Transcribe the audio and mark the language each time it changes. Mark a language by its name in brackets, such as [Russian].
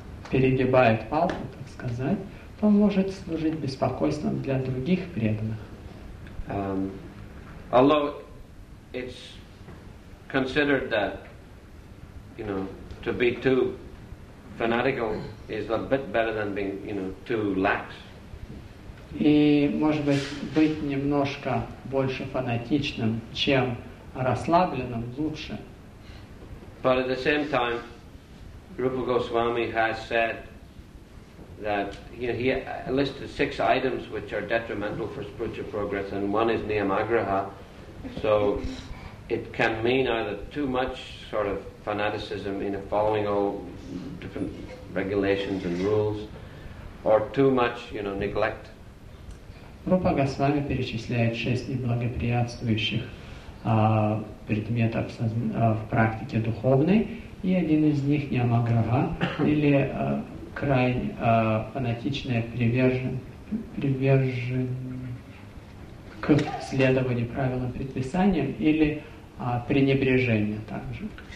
[Russian] Перегибает палку, так сказать, то может служить беспокойством для других преданных. [English] Although it's considered that, you know, to be too fanatical is a bit better than being, you know, too lax. [Russian] И, может быть немножко больше фанатичным, чем расслабленным, лучше. [English] But at the same time, Rupa Goswami has said that, you know, he listed six items which are detrimental for spiritual progress, and one is Niyamagraha. So it can mean either too much sort of fanaticism in following all different regulations and rules, or too much, you know, neglect. [Russian] Rupa Goswami перечисляет шесть неблагоприятствующих предметов в практике духовной. И один из них Ниамаграха, или крайне фанатичная приверженность к следованию правилам предписаниям, или пренебрежение также.